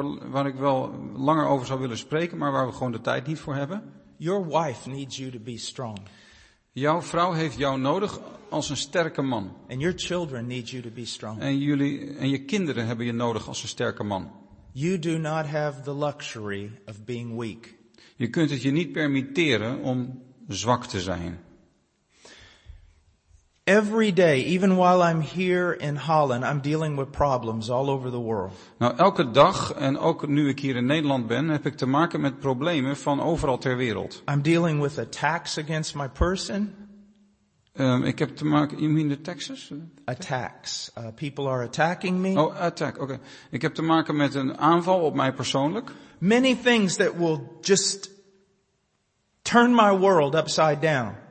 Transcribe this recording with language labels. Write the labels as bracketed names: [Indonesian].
[Dutch] Waar ik wel langer over zou willen spreken, maar waar we gewoon de tijd niet voor hebben. [English] Your wife needs you to be strong. [Dutch] Jouw vrouw heeft jou nodig als een sterke man. [English] And your children need you to be strong. [Dutch] En je kinderen hebben je nodig als een sterke man. [English] You do not have the luxury of being weak. [Dutch] Je kunt het je niet permitteren om zwak te zijn. [English] Every day, even while I'm here in Holland, I'm dealing with problems all over the world. [Dutch] Nou, elke dag en ook nu ik hier in Nederland ben, heb ik te maken met problemen van overal ter wereld. [English] I'm dealing with attacks against my person. [Dutch] Ik heb te maken, [English] you mean the taxes? Attacks. People are attacking me. Oh, attack, okay. [Dutch] Ik heb te maken met een aanval op mij persoonlijk. [English] Many things that will just turn my world upside down.